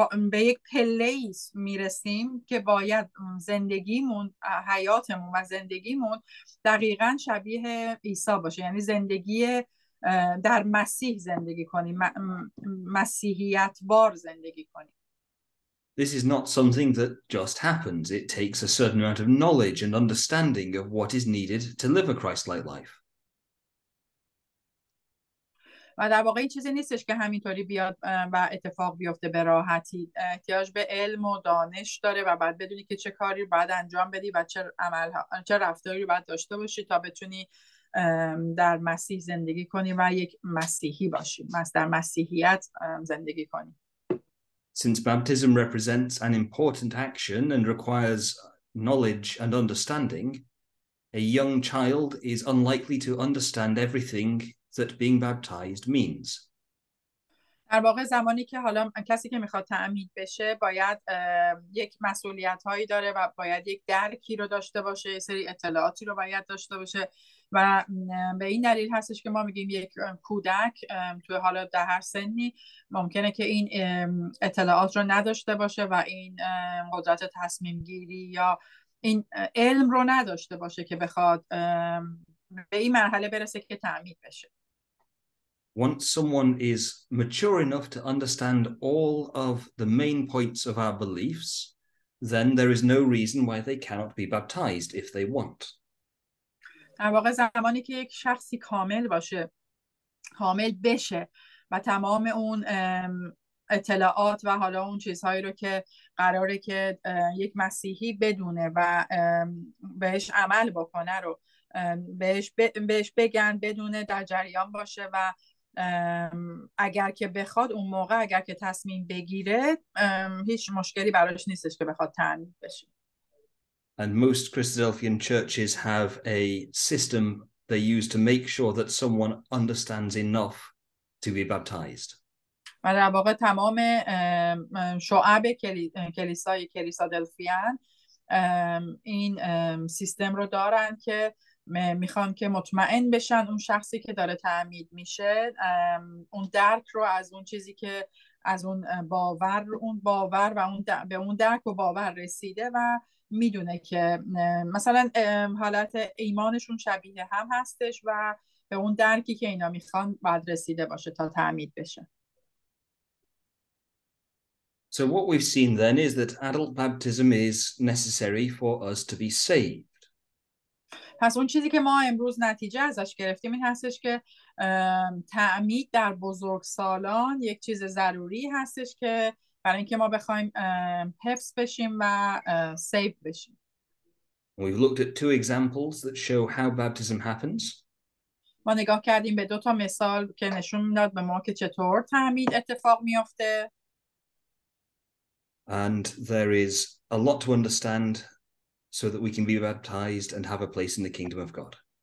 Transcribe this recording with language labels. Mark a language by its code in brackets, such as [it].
[fa] به یک پله ای میرسیم که باید زندگیمون، حیاتمون و زندگیمون دقیقا شبیه عیسی باشه، یعنی زندگی در مسیح زندگی کنیم، مسیحیت بار زندگی کنیم. [en] This is not something that just happens. It takes a certain amount of knowledge and understanding of what is needed to live a Christ-like life. [fa] و در واقع این چیزی نیستش که همینطوری بیاد و اتفاق بیفته به راحتی. احتیاج به علم و دانش داره و بعد بدونی که چه کاری باید انجام بدی و چه رفتاری باید داشته باشی تا بتونی در مسیح زندگی کنی و یک مسیحی باشی. در مسیحیت زندگی کنی. [en] Since baptism represents an important action and requires knowledge and understanding, a young child is unlikely to understand everything that being baptized means. [fa] در واقع زمانی که حالا کسی که میخواد تعمید بشه باید یک مسئولیت هایی داره و باید یک درکی رو داشته باشه، سری اطلاعاتی رو باید داشته باشه و به این دلیل هستش که ما میگیم یک کودک توی حالا در هر سنی ممکنه که این اطلاعات رو نداشته باشه و این قدرت تصمیم گیری یا این علم رو نداشته باشه که بخواد به این مرحله برسه که تعمید بشه. [en] Once someone is mature enough to understand all of the main points of our beliefs, then there is no reason why they cannot be baptized if they want. [fa] در واقع زمانی که یک شخصی کامل باشه، کامل بشه و تمام اون اطلاعات و حالا اون چیزهایی رو که قراره که یک مسیحی بدونه و بهش عمل بکنه رو بهش بگن بدونه در جریان باشه و اگر که بخواد اون موقع اگر که تصمیم بگیره هیچ مشکلی براش نیستش که بخواد تعمید بشه. [en] And most Christadelphian churches have a system they use to make sure that someone understands enough to be baptized. [fa] و در واقع تمام شعب کلیسای کلیسادلفیان این سیستم رو دارن که میخوان که مطمئن بشن اون شخصی که داره تعمید میشه اون درک رو از اون چیزی که از اون باور و اون به اون درک و باور رسیده و میدونه که مثلا حالت ایمانشون شبیه هم هستش و به اون درکی که اینا میخوان بعد رسیده باشه تا تعمید بشه. [en] So what we've seen then is that adult baptism is necessary for us to be saved. [fa] پس اون چیزی که ما امروز نتیجه ازش گرفتیم این هستش که تعمید در بزرگسالان یک چیز ضروری هستش که برای اینکه ما بخوایم حفظ بشیم و سیو بشیم. [en] We've looked at two examples that show how baptism happens. [fa] ما نگاه کردیم به دو تا مثال که نشون میداد به ما که چطور تعمید اتفاق میفته. [en] And there is a lot to understand so that we can be baptized and have a place in the kingdom of God.